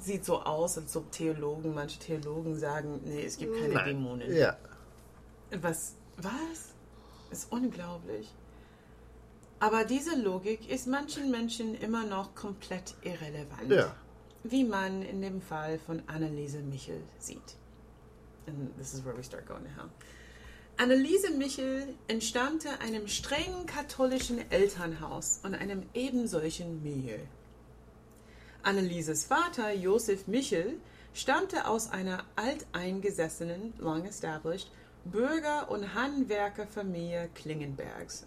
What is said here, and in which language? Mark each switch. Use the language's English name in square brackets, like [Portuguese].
[German] Sieht so aus, als ob Theologen, manche Theologen sagen, nee, es gibt keine Nein. Dämonen. Ja. Was? Ist unglaublich. Aber diese Logik ist manchen Menschen immer noch komplett irrelevant. Ja. Wie man in dem Fall von Anneliese Michel sieht. [English] And this is where we start going to hell. [German] Anneliese Michel entstammte einem strengen katholischen Elternhaus und einem ebensolchen Milieu. Annelieses Vater, Josef Michel, stammte aus einer alteingesessenen, [English] long established, [German] Bürger- und Handwerkerfamilie Klingenbergs.